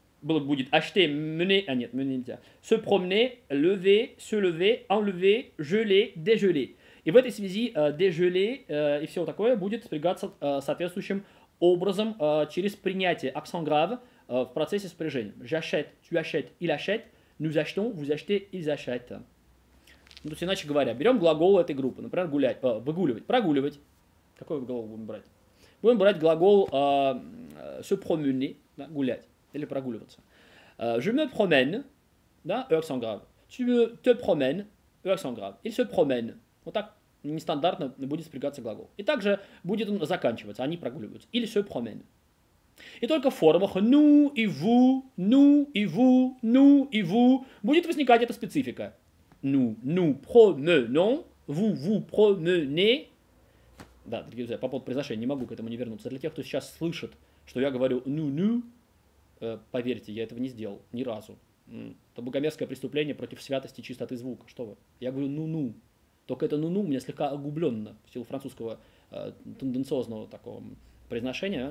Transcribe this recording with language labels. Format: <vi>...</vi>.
<ru>Будет acheter, mener, а нет, mener нельзя.</ru> <fr>Se promener, lever, se lever, enlever, geler, déjeler.</fr> <ru>И в этой связи déjeler и все такое будет спрягаться соответствующим образом через принятие accent grave в процессе спряжения.</ru> <fr>J'achète, tu achètes, il achète, nous achetons, vous achetez, ils achètent.</fr> <ru>Ну, то есть, иначе говоря, берем глагол этой группы, например, гулять, выгуливать, прогуливать. Какой глагол будем брать? Будем брать глагол se promener, да, гулять. Или прогуливаться.</ru> <fr>Je me promène, да, accent grave. Tu me te promène, accent grave. Il se promène.</fr> <ru>Вот так нестандартно будет спрягаться глагол. И также будет он заканчиваться, они прогуливаются.</ru> <fr>Il se promène.</fr> <ru>И только в формах nous и vous, nous и vous будет возникать эта специфика.</ru> <fr>Nous, nous promenons, vous, vous promenez.</fr> <ru>Да, дорогие друзья, по поводу произношения не могу к этому не вернуться. Для тех, кто сейчас слышит, что я говорю nous, поверьте, я этого не сделал ни разу. Это богомерзкое преступление против святости и чистоты звука. Что вы? Я говорю «ну-ну». Только это «ну-ну» у меня слегка огубленно в силу французского тенденциозного такого произношения.</ru>